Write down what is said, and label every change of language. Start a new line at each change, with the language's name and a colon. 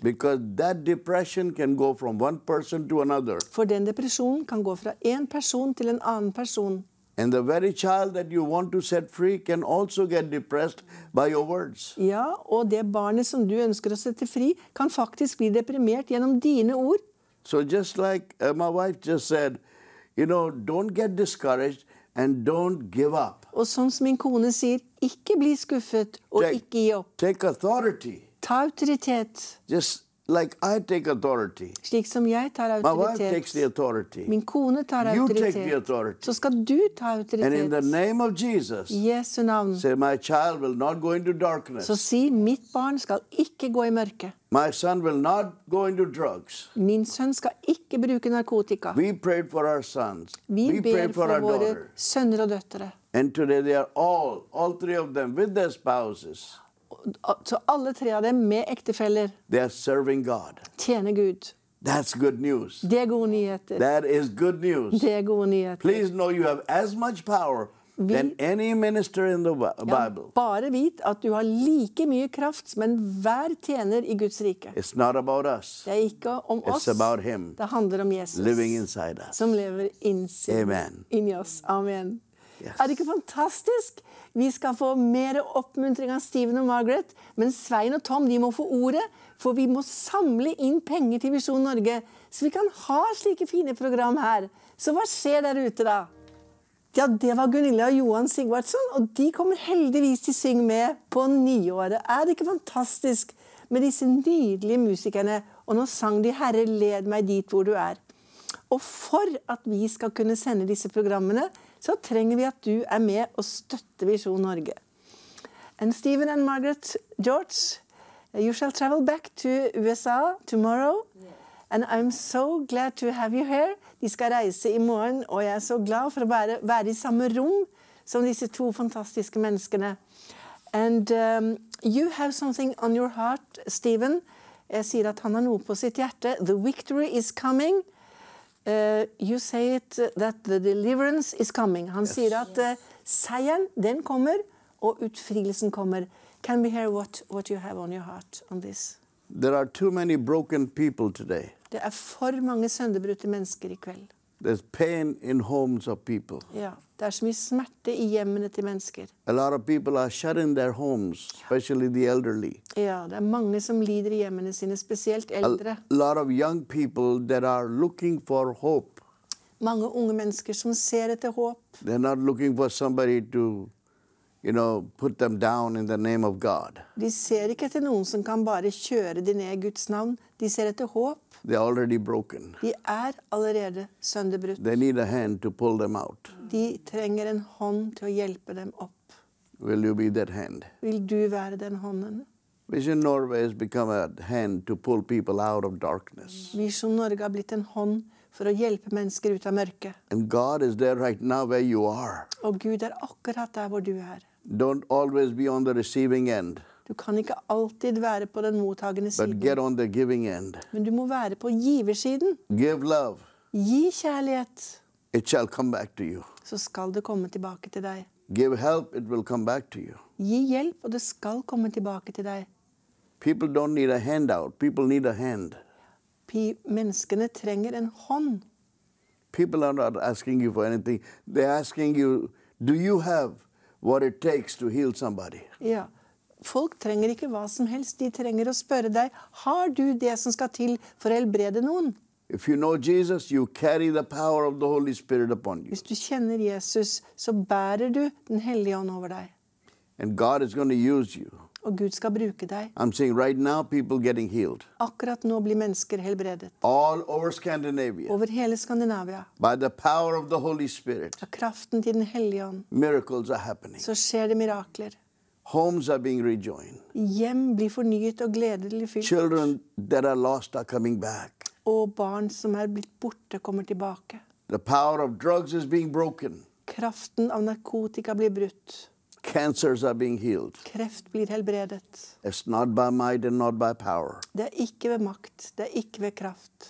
English: Because that depression can go from one person to another.
Norwegian: For den depresjonen kan gå fra en person til en annen person.
English: And the very child that you want to set free can also get depressed by your words.
Norwegian: Ja, og det barnet som du ønsker å sette fri kan faktisk bli deprimert gjennom dine ord.
English: So just like my wife just said, you know, don't get discouraged and don't give up.
Norwegian: Og sånn som min kone sier, ikke bli skuffet og ikke gi opp.
English: Take authority.
Norwegian: Ta autoritet.
English: Just like I take authority.
Norwegian: Slik som jeg tar autoritet.
English: My wife takes the authority.
Norwegian: Min kone tar autoritet.
English: You take the authority.
Norwegian: Så skal du ta autoritet.
English: And in the name of Jesus.
Norwegian: Jesu navn.
English: Say my child will not go into darkness.
Norwegian: Så si mitt barn skal ikke gå i mørke.
English: My son will not go into drugs.
Norwegian: Min sønn skal ikke bruke narkotika.
English: We prayed for our sons.
Norwegian: Vi ber for våre sønner og døtre.
English: And today they are all three of them with their spouses.
Norwegian: Så alle tre av dem med ektefeller.
English: They are serving God.
Norwegian: Tjener Gud.
English: That's good news.
Norwegian: Det er gode nyheter.
English: That is good news.
Norwegian: Det er gode nyheter.
English: Please know you have as much power than any minister in the Bible.
Norwegian: Ja, bare vit at du har like mye kraft som enhver tjener i Guds rike.
English: It's not about us.
Norwegian: Det er ikke om oss.
English: It's about him.
Norwegian: Det handler om Jesus.
English: Living inside us.
Norwegian: Som lever inni oss. Amen.
English: Yes.
Norwegian: Er det ikke fantastisk? Vi skal få mer oppmuntring av Steven og Margaret, men Svein og Tom, de må få ordet, for vi må samle inn penger til Visjon Norge, så vi kan ha slike fine program her. Så hva skjer der ute da? Ja, det var Gunilla og Johan Sigvardsson, og de kommer heldigvis til å synge med på nyåret. Er det ikke fantastisk med disse nydelige musikerne? Og nå sang de Herre, led meg dit hvor du er. Og for at vi skal kunne sende disse programmene, så trenger vi at du er med og støtter Visjon Norge.
English: And Stephen and Margaret George, you shall travel back to USA tomorrow. And I'm so glad to have you here.
Norwegian: De skal reise i morgen, og jeg er så glad for å være i samme rom som disse to fantastiske menneskene.
English: And you have something on your heart, Stephen.
Norwegian: Jeg sier at han har noe på sitt hjerte.
English: The victory is coming. You say it that the deliverance is coming.
Norwegian: Han sier at seieren, den kommer, og utfrielsen kommer.
English: Can we hear what you have on your heart on this? There are too many broken people today.
Norwegian: Det er for mange sønderbrutte mennesker i kveld.
English: There's pain in homes of people.
Norwegian: Ja, det er så mye smerte i hjemmene til mennesker.
English: A lot of people are shut in their homes, especially the elderly.
Norwegian: Ja, det er mange som lider i hjemmene sine, spesielt eldre.
English: A lot of young people that are looking for hope.
Norwegian: Mange unge mennesker som ser etter håp.
English: They're not looking for somebody to, you know, put them down in the name of God.
Norwegian: De ser ikke etter noen som kan bare kjøre dem ned i Guds navn. De ser etter håp.
English: They're already broken.
Norwegian: De er allerede sønderbrutt.
English: They need a hand to pull them out.
Norwegian: De trenger en hånd til å hjelpe dem opp.
English: Will you be that hand?
Norwegian: Vil du være den hånden?
English: Vision Norway has become a hand to pull people out of darkness.
Norwegian: Vision Norge har blitt en hånd for å hjelpe mennesker ut av mørket.
English: And God is there right now where you are.
Norwegian: Og Gud er akkurat der hvor du er.
English: Don't always be on the receiving end.
Norwegian: Du kan ikke alltid være på den mottagende siden.
English: But get on the giving end.
Norwegian: Men du må være på giversiden.
English: Give love.
Norwegian: Gi kjærlighet.
English: It shall come back to you.
Norwegian: Så skal det komme tilbake til deg.
English: Give help, it will come back to you.
Norwegian: Gi hjelp, og det skal komme tilbake til deg.
English: People don't need a handout. People need a hand.
Norwegian: menneskene trenger en hånd.
English: People are not asking you for anything. They're asking you, do you have what it takes to heal somebody?
Norwegian: Ja. Folk trenger ikke hva som helst. De trenger å spørre deg, har du det som skal til for å helbrede noen?
English: If you know Jesus, you carry the power of the Holy Spirit upon you.
Norwegian: Hvis du kjenner Jesus, så bærer du den hellige ånd over deg.
English: And God is going to use you.
Norwegian: Og Gud skal bruke deg.
English: I'm seeing right now people getting healed.
Norwegian: Akkurat nå blir mennesker helbredet.
English: All over Scandinavia.
Norwegian: Over hele Skandinavia.
English: By the power of the Holy Spirit.
Norwegian: Av kraften til den hellige ånd.
English: Miracles are happening.
Norwegian: Så skjer det mirakler.
English: Homes are being rejoined.
Norwegian: Hjem blir fornyet og gledelig fylt.
English: Children that are lost are coming back.
Norwegian: Og barn som blitt borte kommer tilbake.
English: The power of drugs is being broken.
Norwegian: Kraften av narkotika blir brutt.
English: Cancers are being healed.
Norwegian: Kreft blir helbredet.
English: It's not by might and not by power.
Norwegian: Det ikke ved makt, det ikke ved kraft.